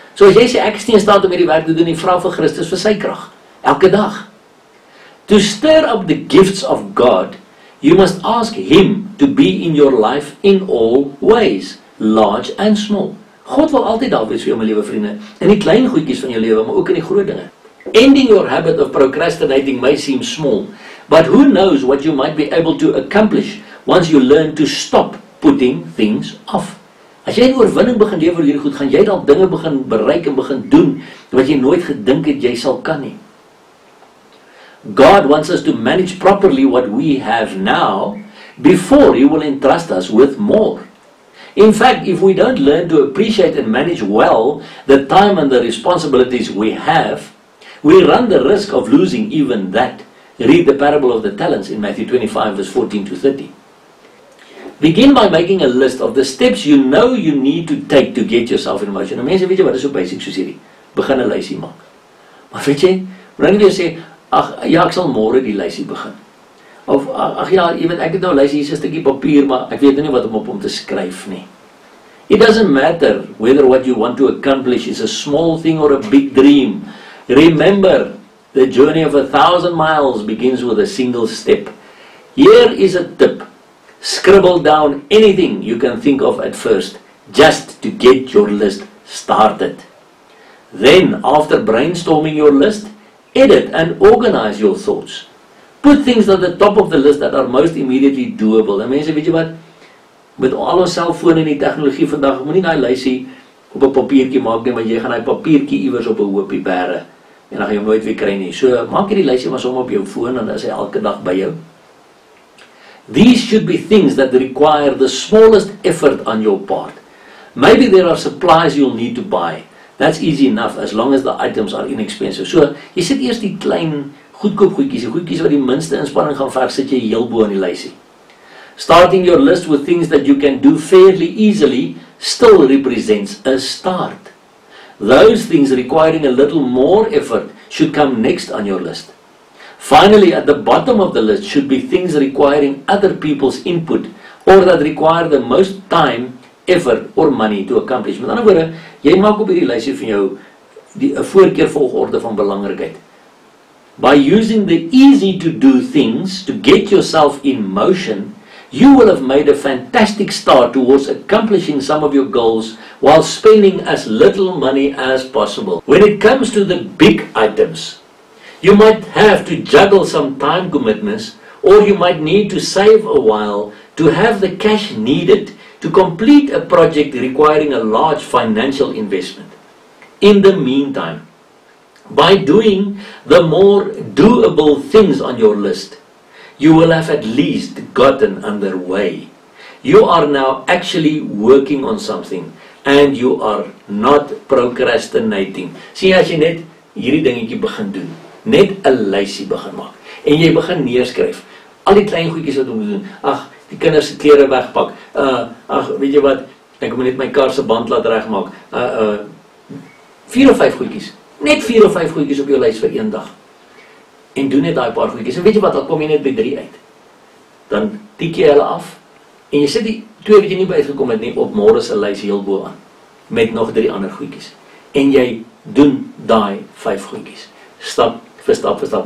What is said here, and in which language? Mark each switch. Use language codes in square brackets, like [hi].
[af] So as jy sê, ek is nie in staat om hierdie werk te doen nie, vra vir Christus vir sy krag, elke dag. [en] To stir up the gifts of God, you must ask Him to be in your life in all ways, large and small. [af] God wil altyd daar wees vir jou, my liewe vriende, in die klein goedjies van jou lewe, maar ook in die groot dinge. [en] Ending your habit of procrastinating may seem small, but who knows what you might be able to accomplish once you learn to stop putting things off. [af] As jy 'n oorwinning begin lewe vir hierdie goed, gaan jy dalk dinge begin bereik en begin doen wat jy nooit gedink het jy sal kan nie. [en] God wants us to manage properly what we have now before He will entrust us with more. In fact, if we don't learn to appreciate and manage well the time and the responsibilities we have, we run the risk of losing even that. Read the parable of the talents in Matthew 25 verse 14 to 30. Begin by making a list of the steps you know you need to take to get yourself in motion. [af] Nou mense, weet jy wat is so basic soos hierdie? Begin 'n lysie maak. Maar weet jy, moenie net weer sê, ag ja, ek sal môre die lysie begin. Of ag ja, jy weet ek het nou lysie hier, 'n stukkie papier, maar ek weet nie wat om op hom te skryf nie. [en] It doesn't matter whether what you want to accomplish is a small thing or a big dream. Remember, the journey of 1,000 miles begins with a single step. Here is a tip. Scribble down anything you can think of at first, just to get your list started. Then, after brainstorming your list, edit and organize your thoughts. Put things at the top of the list that are most immediately doable. [af] En mense, weet jy wat? Met al ons selfone en die tegnologie vandag, moet nie daai lysie op 'n papiertjie maak nie, want jy gaan daai papiertjie iewers op 'n hoopie bære. En dan gaan jy nooit weer kry nie. So, maak hierdie lysie maar sommer op jou foon, dan is hy elke dag by jou. [en] These should be things that require the smallest effort on your part. Maybe there are supplies you'll need to buy. That's easy enough, as long as the items are inexpensive. [af] So, jy sit eerst die klein, goedkoop goedkies, die goedkies wat die minste inspanning gaan vaak, sit jy heel bo in die lysie. [en] Starting your list with things that you can do fairly easily still represents a start. Those things requiring a little more effort should come next on your list. Finally, at the bottom of the list should be things requiring other people's input or that require the most time, effort or money to accomplish. [af] Met ander woorde, jy maak op hierdie lysie van jou die voorkeur volgorde van belangrikheid. [en] By using the easy to do things to get yourself in motion, you will have made a fantastic start towards accomplishing some of your goals while spending as little money as possible. When it comes to the big items, you might have to juggle some time commitments or you might need to save a while to have the cash needed to complete a project requiring a large financial investment. In the meantime, by doing the more doable things on your list, you will have at least gotten underway. You are now actually working on something and you are not procrastinating. [af] Sien, as jy net hierdie dingetjie begin doen, net 'n lysie begin maak en jy begin neerskryf al die klein goedjies wat om te doen. Ag, die kinders se klere wegpak. Weet jy wat? Ek moet net my kar se band laat regmaak. 4 of 5 goedjies. Net 4 of 5 goedjies op jou lys vir een dag. En doen net daai paar goedjies. En weet jy wat, dan kom jy net by 3 uit. Dan tik jy hulle af. En jy sit die 2 wat jy nie by uitgekom het nie op môre se lys heel bo aan met nog 3 ander goedjies. En jy doen daai 5 goedjies. Stap vir stap vir stap.